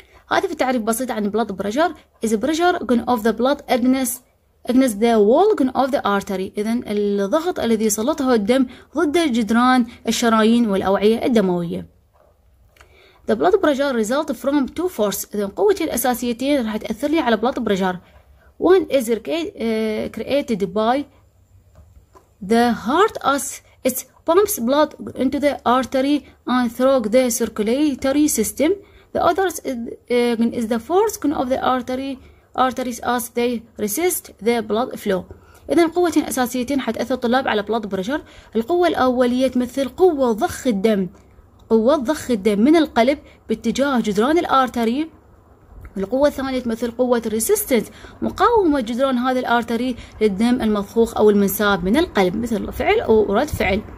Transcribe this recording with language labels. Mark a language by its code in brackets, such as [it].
[ar] هذا في تعريف بسيط عن [en] blood pressure، is pressure going off the blood against the wall going off the artery. [ar] إذا الضغط الذي يسلطه الدم ضد جدران الشرايين والأوعية الدموية. [en] The blood pressure result from two forces. [ar] إذا قوتي الأساسيتين راح تأثر لي على blood pressure. [en] One is created by the heart as it pumps blood into the artery and through the circulatory system. The other is the force of the arteries as they resist the blood flow. [ar] إذن قوتين أساسيتين حتأثر الطلاب على blood pressure. القوة الأولية تمثل قوة ضخ الدم، قوة ضخ الدم من القلب باتجاه جدران الأرتري. القوة الثانية تمثل قوة resistance، مقاومة جدران هذا الأرتري للدم المضخوخ أو المنساب من القلب، مثل فعل أو رد فعل.